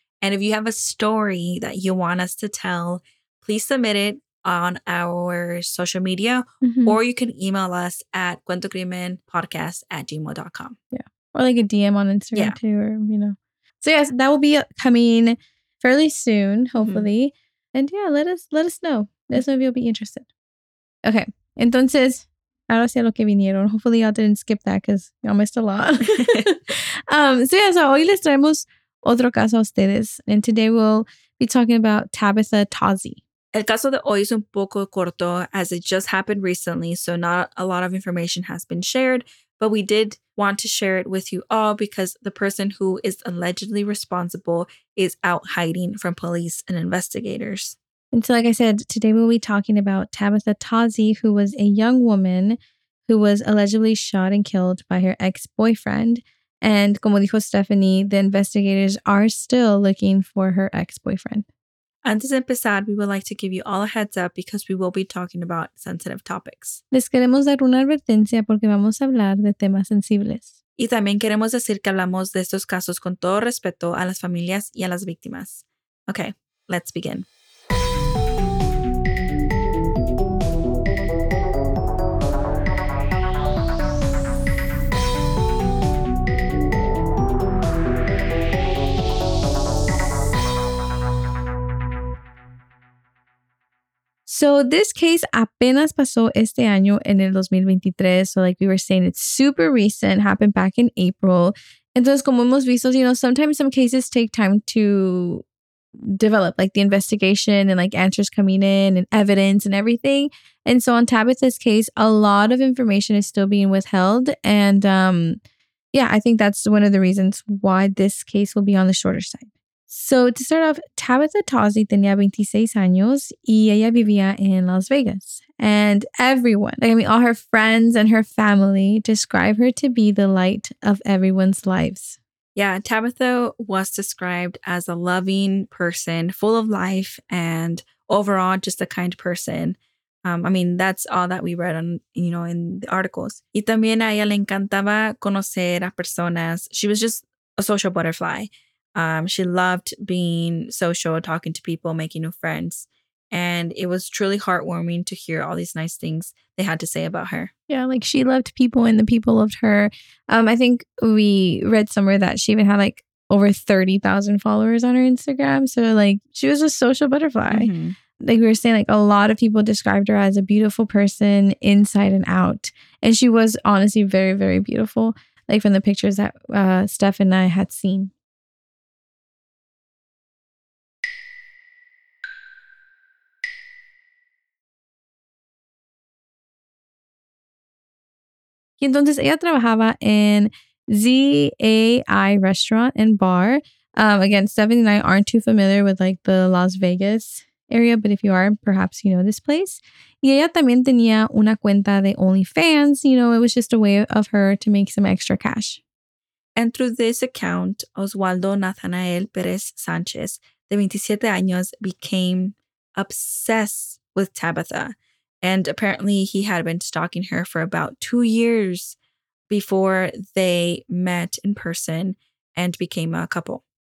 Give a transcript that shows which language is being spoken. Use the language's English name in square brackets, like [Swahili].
[English] And if you have a story that you want us to tell, please submit it on our social media mm-hmm. or you can email us at cuentocrimenpodcast@gmail.com. Yeah. Or like a DM on Instagram yeah. too, or, you know. So yes, that will be coming fairly soon, hopefully. Mm-hmm. And yeah, let us know. Let us know if you'll be interested. Okay. [Spanish] Entonces, ahora sí a lo que vinieron. [English] Hopefully y'all didn't skip that because y'all missed a lot. So yeah, so [Spanish] hoy les traemos otro caso a ustedes. [English] And today we'll be talking about Tabitha Tozzi. [Spanish] El caso de hoy es un poco corto [English] as it just happened recently. So not a lot of information has been shared. but we did want to share it with you all because the person who is allegedly responsible is out hiding from police and investigators. And so, like I said, today we'll be talking about Tabitha Tazi, who was a young woman who was allegedly shot and killed by her ex-boyfriend. And [Spanish] como dijo Stephanie, [English] the investigators are still looking for her ex-boyfriend. [Spanish] Antes de empezar, [English] we would like to give you all a heads up because we will be talking about sensitive topics. [Spanish] Les queremos dar una advertencia porque vamos a hablar de temas sensibles. Y también queremos decir que hablamos de estos casos con todo respeto a las familias y a las víctimas. [English] Okay, let's begin. So this case [Spanish] apenas pasó este año en el 2023. [English] So like we were saying, it's super recent, happened back in April. [Spanish] Entonces, como hemos visto, [English] you know, sometimes some cases take time to develop, like the investigation and like answers coming in and evidence and everything. And so on Tabitha's case, a lot of information is still being withheld. And yeah, I think that's one of the reasons why this case will be on the shorter side. So to start off, [Spanish] Tabitha Tazi tenía 26 años y ella vivía in Las Vegas. [English] And everyone, like, I mean, all her friends and her family describe her to be the light of everyone's lives. Yeah, Tabitha was described as a loving person, full of life, and overall just a kind person. I mean, that's all that we read on, you know, in the articles. [Spanish] Y también a ella le encantaba conocer a personas. [English] She was just a social butterfly. She loved being social, talking to people, making new friends. And it was truly heartwarming to hear all these nice things they had to say about her. Yeah, like she loved people and the people loved her. I think we read somewhere that she even had like over 30,000 followers on her Instagram. So like she was a social butterfly. Mm-hmm. Like we were saying, like a lot of people described her as a beautiful person inside and out. And she was honestly very, very beautiful. Like from the pictures that Steph and I had seen. [Spanish] Y entonces ella trabajaba en ZAI [English] restaurant and bar. Again, Stephanie and I aren't too familiar with like the Las Vegas area, but if you are, perhaps you know this place. [Spanish] Y ella también tenía una cuenta de OnlyFans. [English] You know, it was just a way of her to make some extra cash. And through this account, Oswaldo Nathanael Perez Sanchez, [Spanish] de 27 años, [English] became obsessed with Tabitha. And apparently he had been stalking her for about 2 years before they met in person and became a couple.